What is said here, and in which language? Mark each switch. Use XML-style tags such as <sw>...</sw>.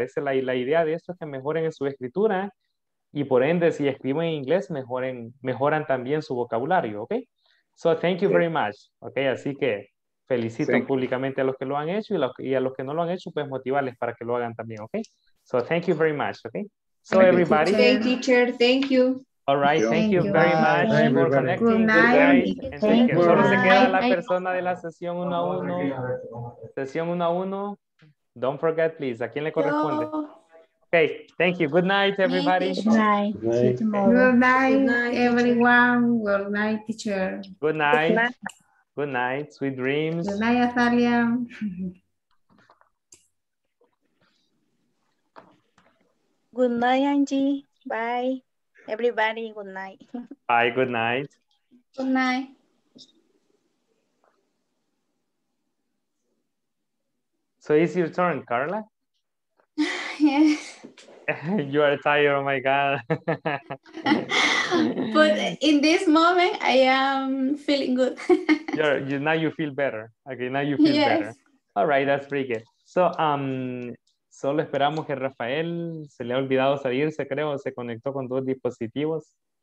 <es>Esa es la idea de esto, es que mejoren en su escritura y por ende, si escriben en inglés, mejoran también su vocabulario, ¿ok?</es> <en>So, thank you very much,</en> <es>¿ok? Así que felicito públicamente a los que lo han hecho y a los que no lo han hecho, pues motivarles para que lo hagan también, ¿ok?</es> <en>So, thank you very much, ¿ok? So, everybody. Hey, teacher, thank you. All right, thank you very much thank for connecting. Good night. Good night. Thank you.</en> <es>Solo se queda la persona de la sesión 1-1.</es> <en>Sesión 1-1. Don't forget, please.</en> <es>¿A quién le corresponde?</es> <en>Okay, thank you. Good night, everybody. Good night. Good night. Good night, everyone. Good night, teacher. Good night. Good night. Sweet dreams. Good night, Athalia. Good night, Angie. Bye. Everybody, good night. Bye, good night. Good night. So it's your turn, Carla? Yes. You are tired, oh my God. But in this moment, I am feeling good. Now you feel better. Okay, now you feel better. All right, that's pretty good.</en> <es>So, solo esperamos que Rafael se le ha olvidado salirse, creo, se conectó con dos dispositivos.</es>